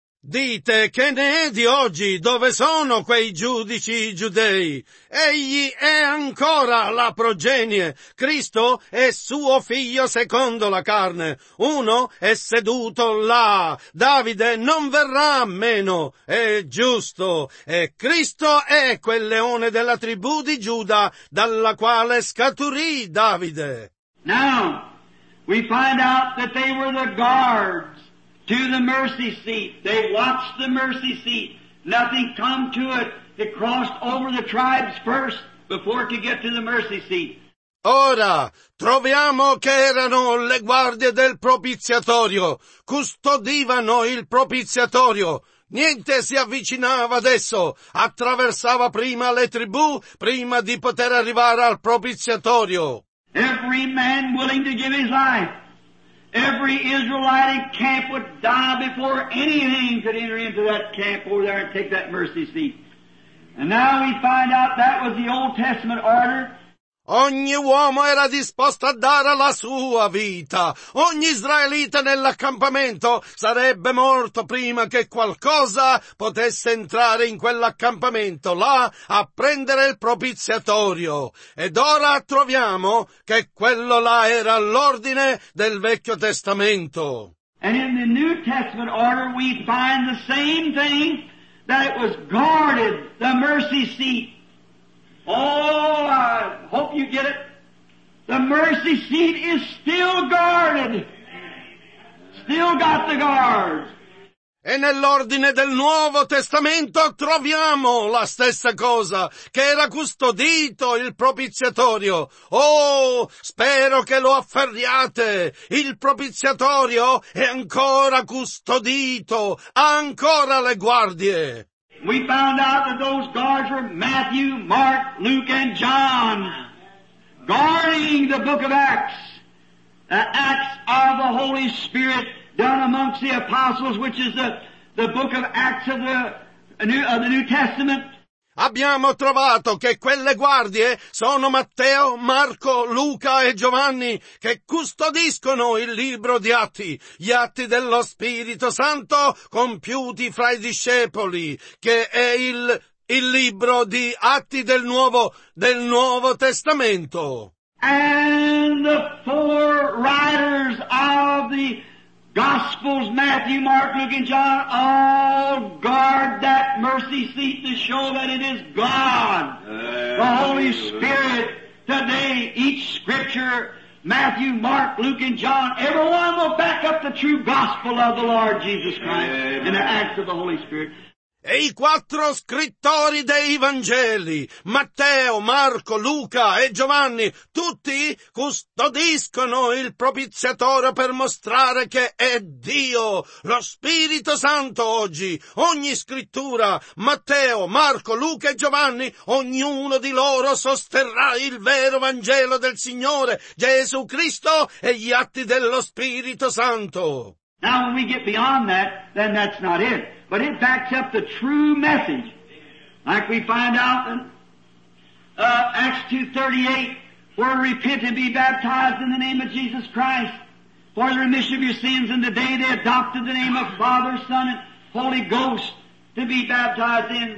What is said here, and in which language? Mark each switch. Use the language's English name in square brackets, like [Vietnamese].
[Italian] Dite, che ne è di oggi? Dove sono quei giudici giudei? Egli è ancora la progenie. Cristo è suo figlio secondo la carne. Uno è seduto là. Davide non verrà meno. È giusto. E Cristo è quel leone della tribù di Giuda dalla quale scaturì Davide. [English] Now, we find out that they were the guards to the mercy seat. They watched the mercy seat. Nothing come to it. It crossed over the tribes first before it could get to the mercy seat. [Italian] Ora, troviamo che erano le guardie del propiziatorio. Custodivano il propiziatorio. Niente si avvicinava adesso. Attraversava prima le tribù, prima di poter arrivare al propiziatorio. [English] Every man willing to give his life. Every Israelitic camp would die before anything could enter into that camp over there and take that mercy seat. And now we find out that was the Old Testament order. [Italian] Ogni uomo era disposto a dare la sua vita. Ogni israelita nell'accampamento sarebbe morto prima che qualcosa potesse entrare in quell'accampamento là a prendere il propiziatorio. Ed ora troviamo che quello là era l'ordine del Vecchio Testamento. [English] And in the New Testament order we find the same thing, that it was guarded, the mercy seat. Oh, I hope you get it. The mercy seat is still guarded. Still got the guards. [Italian] E nell'ordine del Nuovo Testamento troviamo la stessa cosa, che era custodito il propiziatorio. Oh, spero che lo afferriate. Il propiziatorio è ancora custodito. Ha ancora le guardie. [English] We found out that those guards were Matthew, Mark, Luke, and John, guarding the book of Acts, the Acts of the Holy Spirit done amongst the apostles, which is the book of Acts of the New Testament. [Italian] Abbiamo trovato che quelle guardie sono Matteo, Marco, Luca e Giovanni, che custodiscono il libro di Atti, gli Atti dello Spirito Santo compiuti fra i discepoli, che è il libro di Atti del Nuovo Testamento. [English] And the four writers of the Gospels, Matthew, Mark, Luke, and John, all guard that mercy seat to show that it is God, the Holy Spirit. Today, each scripture, Matthew, Mark, Luke, and John, everyone will back up the true gospel of the Lord Jesus Christ in the acts of the Holy Spirit. [Italian] E i quattro scrittori dei Vangeli, Matteo, Marco, Luca e Giovanni, tutti custodiscono il propiziatorio per mostrare che è Dio, lo Spirito Santo oggi. Ogni scrittura, Matteo, Marco, Luca e Giovanni, ognuno di loro sosterrà il vero Vangelo del Signore, Gesù Cristo e gli atti dello Spirito Santo. [English] Now when we get beyond that, then that's not it. But it backs up the true message. Like we find out in Acts 2:38, where repent and be baptized in the name of Jesus Christ for the remission of your sins. And today they adopted the name of Father, Son, and Holy Ghost to be baptized in.